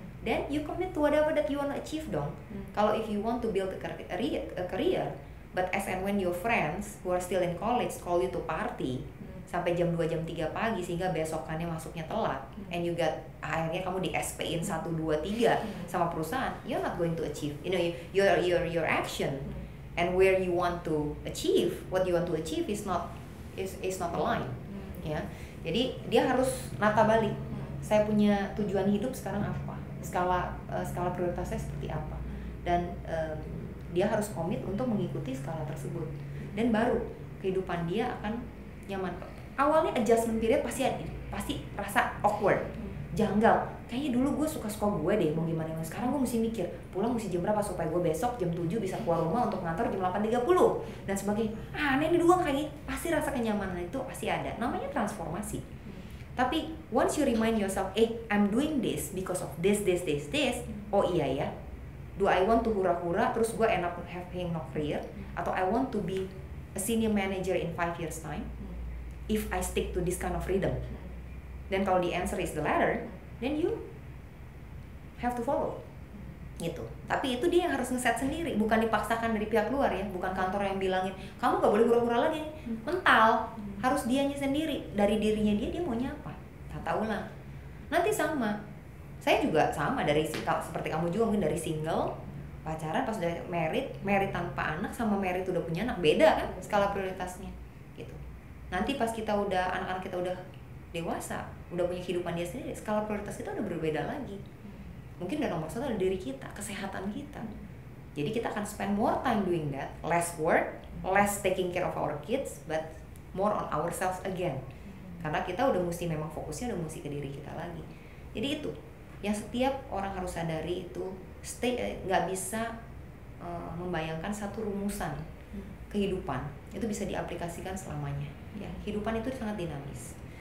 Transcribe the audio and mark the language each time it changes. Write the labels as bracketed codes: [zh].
[en] Then you commit to whatever that you want to achieve dong. Kalau if you want to build a career, but as and when your friends who are still in college call you to party [id] sampai jam 2 jam 3 pagi sehingga besokannya masuknya telat [en] and you got [id] akhirnya kamu di SP-in 1 2 3 sama perusahaan, [en] you're not going to achieve, you know, your action and where you want to achieve, what you want to achieve is not aligned. [id] Ya, jadi dia harus nata balik, saya punya tujuan hidup sekarang apa, skala prioritasnya seperti apa, dan dia harus komit untuk mengikuti skala tersebut dan baru kehidupan dia akan nyaman. Awalnya adjustment period pasti rasa awkward, janggal. Kayaknya dulu gue suka-suka gue deh, mau gimana ya. Sekarang gue mesti mikir, pulang mesti jam berapa supaya gue besok jam 7 bisa keluar rumah untuk ngantor jam 8.30. Dan sebagainya, aneh nih dua kayaknya. Pasti rasa kenyamanan itu pasti ada. Namanya transformasi. [en] Tapi once you remind yourself, I'm doing this because of this. Oh iya ya, do I want to [id] hura-hura terus gue [en] end up having no career? Atau I want to be a senior manager in 5 years time? If I stick to this kind of freedom, Then kalau the answer is the latter, then you have to follow. [id] Gitu. Tapi itu dia yang harus ngeset sendiri, bukan dipaksakan dari pihak luar ya, bukan kantor yang bilangin, kamu gak boleh hura-hura lagi. Mental, harus dianya sendiri, dari dirinya dia, dia maunya apa. Tak tahu lah. Nanti sama. Saya juga sama, dari seperti kamu juga mungkin dari single, pacaran pas udah married, married tanpa anak sama married udah punya anak, beda kan skala prioritasnya. Gitu. Nanti pas kita udah, anak-anak kita udah dewasa, udah punya kehidupan dia sendiri, skala prioritas kita udah berbeda lagi. Mungkin gak nomor satu ada diri kita, kesehatan kita. Jadi kita akan [en] spend more time doing that, less work, less taking care of our kids, but more on ourselves again. [id] Karena kita udah mesti, memang fokusnya udah mesti ke diri kita lagi. Jadi itu, yang setiap orang harus sadari itu, stay, gak bisa membayangkan satu rumusan kehidupan, itu bisa diaplikasikan selamanya. Ya, kehidupan itu sangat dinamis.